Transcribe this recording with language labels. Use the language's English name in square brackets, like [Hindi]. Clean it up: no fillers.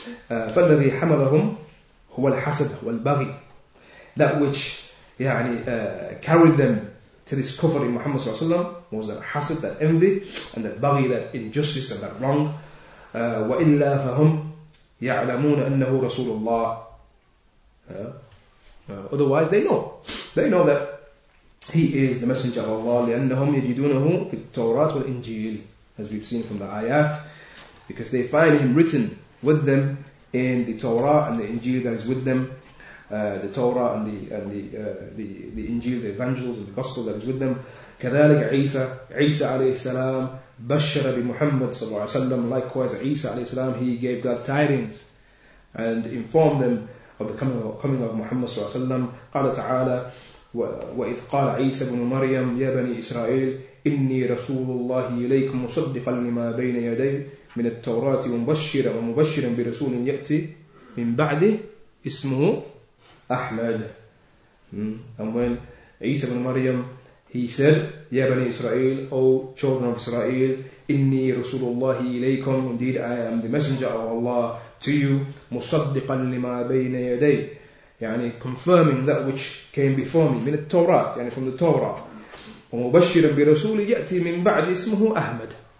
[Arabic] فالذي حملهم هو الحسد والبغي, [English] that which carried them to this kufr in Muhammad sallallahu alaihi wasallam was that hasad, that envy, and that baghi, that injustice and that wrong. [Arabic] وإلا فهم يعلمون أنه رسول الله. [English] Otherwise, they know. They know that he is the messenger of Allah. [Arabic] لأنهم يجدونه في التوراة والإنجيل, [English] as we've seen from the ayat, because they find him written with them in the Torah and the Injil that is with them. The Torah and the Injil, the Evangels and the Gospel that is with them. [Arabic] كذلك عيسى عليه السلام بشر بمحمد صلى الله عليه وسلم. [English] Likewise, Isa عليه السلام, he gave God tidings and informed them of the coming of Muhammad صلى الله عليه وسلم. [Arabic] قال تعالى وإذ قال عيسى بن مريم يا بني إسرائيل إني رسول الله إليكم مصدقا لما بين يدي من التوراة ومبشرا ومبشرا برسول يأتي من بعده اسمه Ahmad. [English] And when Isa ibn Maryam, he said, [Arabic] Ya Bani Israel, [English] O children of Israel, [Arabic] Inni Rasulullahi ilaykum, [English] indeed I am the messenger of Allah to you, [Arabic] musaddiqan lima bayna yaday, [English] yani confirming that which came before me, min al-Tawrat, yani from the Torah, [Arabic] wa mubashiran bi rasuli ya'ti min ba'di ismuhu Ahmad,